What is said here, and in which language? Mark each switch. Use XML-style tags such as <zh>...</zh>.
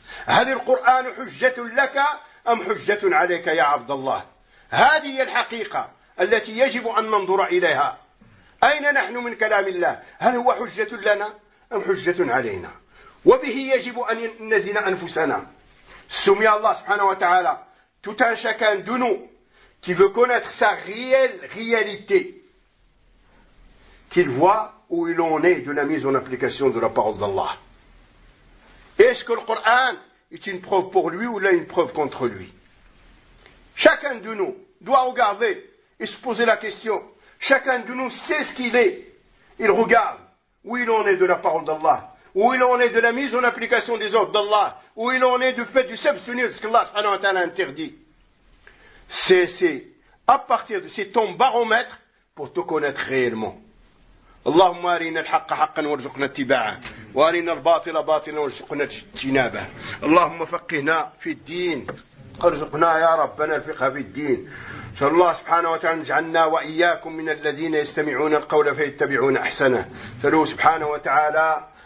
<ar>هل القرآن حجة لك أم حجة عليك يا عبد الله؟ هذه هي الحقيقة التي يجب أن ننظر إليها. أين نحن من كلام الله؟ هل هو حجة لنا أم حجة علينا؟ وبه يجب أن نزن أنفسنا. سمي الله سبحانه وتعالى</ar> <fr>tout un chacun de nous qui veut connaître sa réelle réalité, qu'il voit où il en est de la mise en application de la parole d'Allah. Est-ce que le Coran est une preuve pour lui ou là une preuve contre lui? Chacun de nous doit regarder et se poser la question. Chacun de nous sait ce qu'il est. Il regarde où il en est de la parole d'Allah, où il en est de la mise en application des ordres d'Allah, où il en est du fait du s'abstenir de ce qu'Allah subhanahu wa ta'ala interdit. C'est à partir de c'est ton baromètre pour te connaître réellement.</fr> <ar>اللهم أرنا الحق حقا وارزقنا اتباعه وأرنا الباطل باطلا وارزقنا اجتنابه اللهم فقهنا في الدين ارزقنا يا ربنا الفقه في الدين سأل الله سبحانه وتعالى اجعلنا وإياكم من الذين يستمعون القول فيتبعون أحسنه سأل الله سبحانه وتعالى</ar>